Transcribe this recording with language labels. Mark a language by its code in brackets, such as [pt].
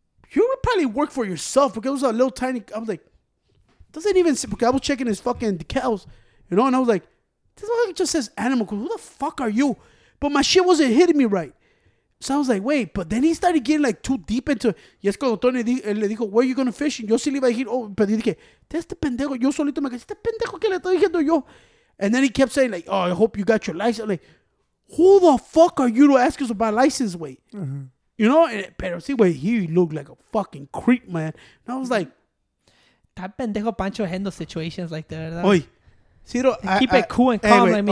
[en] You would probably work for yourself because it was a little tiny. I was like, doesn't even say, because I was checking his fucking decals, you know, and I was like, this motherfucker just says animal. Who the fuck are you? But my shit wasn't hitting me right. So I was like, wait. But then he started getting like too deep into it. [es] Y es cuando Tony le dijo, [en] where are you going to fish? [es] Yo sí le iba a decir, oh, pero yo dije, este pendejo, yo solito me dije, este pendejo que le estoy diciendo yo. [en] And then he kept saying, like, oh, I hope you got your license. I'm like, who the fuck are you to ask us about license, wait? Mm-hmm. You know, [es] pero sí, güey, [en] he looked like a fucking creep, man. And I was like, that pendejo Pancho handle situations like that, [es] ¿verdad? Oy, Ciro, [en] keep it cool and calm, hey, like me.